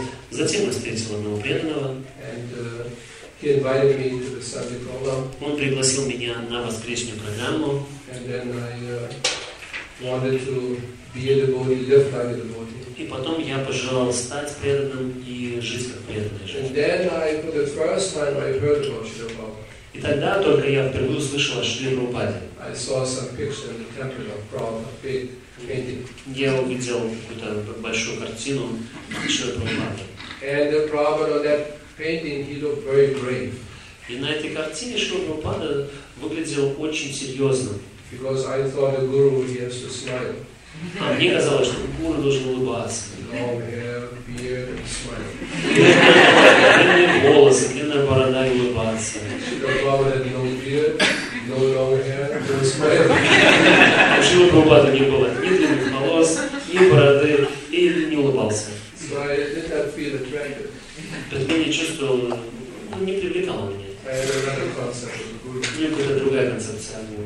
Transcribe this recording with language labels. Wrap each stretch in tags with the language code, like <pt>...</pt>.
<ru>Затем я встретил одного преданного.</ru> <en>He invited me to the Sunday program.</en> <ru>Он пригласил меня на воскресную программу.</ru> <en>And then I wanted to be a devotee, live like a devotee.</en> <ru>И потом я пожелал стать преданным и жить как преданный.</ru> <en>And then I, for the first time, I heard about Шри Прабхупада.</en> <ru>И тогда только я впервые услышал о Шри Прабхупаде.</ru> <en>I saw some picture in the temple of Prabhupada, big painting.</en> <ru>Я увидел какую-то большую картину Шри Прабхупады.</ru> <en>And the Prabhupada that painting, he looked very brave.</en> <ru>И на этой картине Шри Прабхупада выглядел очень серьезно.</ru> <en>Because I thought a guru has to smile.</en> <ru>А мне казалось, что гуру должен улыбаться.</ru> <en>Long hair, beard, and smile.</en> <ru>Длинные волосы, длинная борода и улыбаться.</ru> <en>Шри Прабхупада had no beard, no long hair, no smile.</en> <ru>А Шри Прабхупада не было ни длинных волос, ни бороды, и не улыбался.</ru> <en>So I did not feel attractive.</en> <ru>Поэтому я чувствовал, ну, не привлекало меня. У меня какая-то другая концепция.</ru>